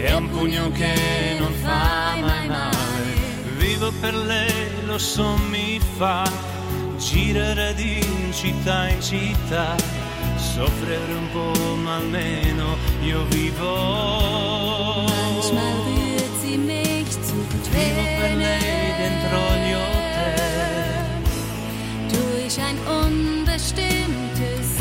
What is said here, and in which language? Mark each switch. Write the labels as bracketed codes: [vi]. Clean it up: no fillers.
[it] pugno che non fa mai male. Vivo per lei, lo so, mi fa girare di città in città, soffrire un po', ma almeno io vivo. [de] Manchmal rührt sie mich zu Tränen. [it] Vivo per lei dentro gli hotel. [de] Durch ein unbestimmtes Leben.